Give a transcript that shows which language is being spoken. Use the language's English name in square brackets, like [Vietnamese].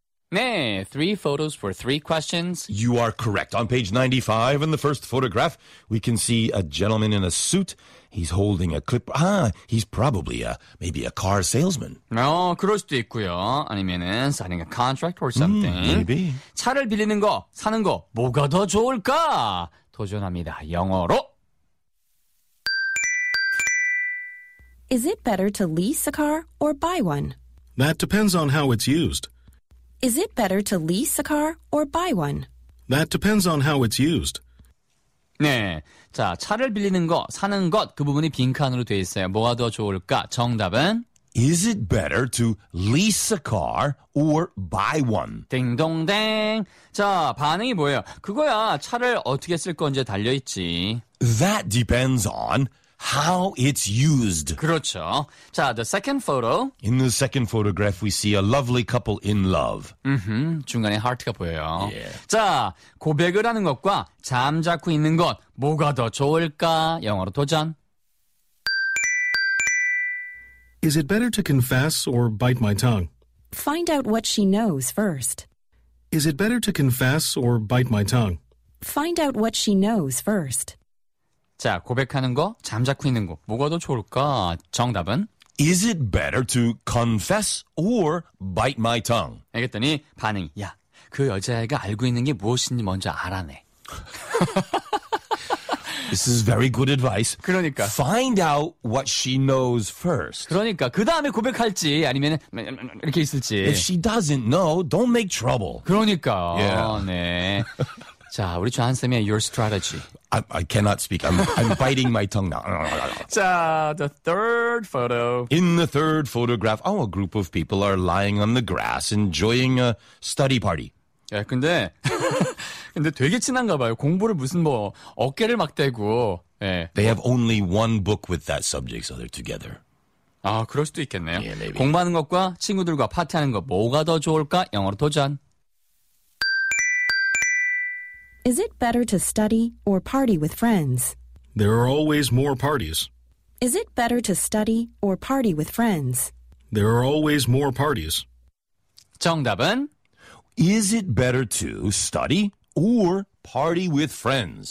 [English] Nay, three photos for three questions. You are correct. On page 95 in the first photograph, we can see a gentleman in a suit. He's holding a clip. Ah, he's probably a car salesman. [Korean] 그럴 수도 있고요. 아니면은 [English] signing a contract or something. Maybe. [Korean] 차를 빌리는 거, 사는 거, 뭐가 더 좋을까? 도전합니다. 영어로. [English] Is it better to lease a car or buy one? That depends on how it's used. Is it better to lease a car or buy one? That depends on how it's used. [Korean] 네, 자, 차를 빌리는 거, 사는 것, 그 부분이 빈칸으로 되어 있어요. 뭐가 더 좋을까? 정답은? [English] Is it better to lease a car or buy one? [Korean] 딩동댕. 자, 반응이 뭐예요? 그거야, 차를 어떻게 쓸 건지 달려있지. [English] That depends on how it's used. [Korean] 그렇죠. 자, [English] the second photo. In the second photograph, we see a lovely couple in love. [Korean] 음흠, 중간에 heart가 보여요. [English] Yeah. [Korean] 자, 고백을 하는 것과 잠자코 있는 것, 뭐가 더 좋을까? 영어로 도전. [English] Is it better to confess or bite my tongue? Find out what she knows first. Is it better to confess or bite my tongue? Find out what she knows first. [Korean] 자, 고백하는 거, 잠자코 있는 거, 뭐가 더 좋을까? 정답은? [English] Is it better to confess or bite my tongue? [Korean] 알겠더니 반응이, 야, 그 여자애가 알고 있는 게 무엇인지 먼저 알아내. [English] This is very good advice. [Korean] 그러니까. [English] Find out what she knows first. [Korean] 그러니까. 그 다음에 고백할지, 아니면 이렇게 있을지. [English] If she doesn't know, don't make trouble. [Korean] 그러니까. [English] Yeah. [Korean] 네. 자, 우리 존쌤의 [English] your strategy. I cannot speak. I'm biting my tongue now. 자, the third photo. In the third photograph, oh, a group of people are lying on the grass enjoying a study party. [Korean] 예, 근데, 근데 되게 친한가 봐요. 공부를 무슨 뭐 어깨를 막 대고. 예. [English] They have only one book with that subject, so they're together. [Korean] 아, 그럴 수도 있겠네요. [English] Yeah, maybe. [Korean] 공부하는 것과 친구들과 파티하는 것, 뭐가 더 좋을까? 영어로 도전. [English] Is it better to study or party with friends? There are always more parties. Is it better to study or party with friends? There are always more parties. [Korean] 정답은? [English] Is it better to study or party with friends?